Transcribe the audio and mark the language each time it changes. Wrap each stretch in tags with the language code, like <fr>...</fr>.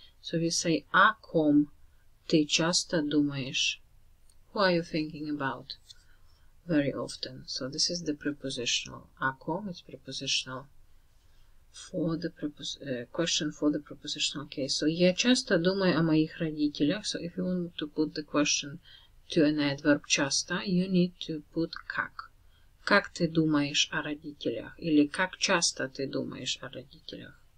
<en>So we say</en> <ru>о ком ты часто думаешь.</ru> <en>Who are you thinking about very often? So this is the prepositional.</en> <ru>О ком</ru> <en>is prepositional. For the question for the prepositional case.</en> <ru>So, я часто думаю о моих родителях.</ru> <en>So, if you want to put the question to an adverb часто, you need to put как.</en> <ru>Как ты думаешь о родителях? Или как часто ты думаешь о родителях?</ru>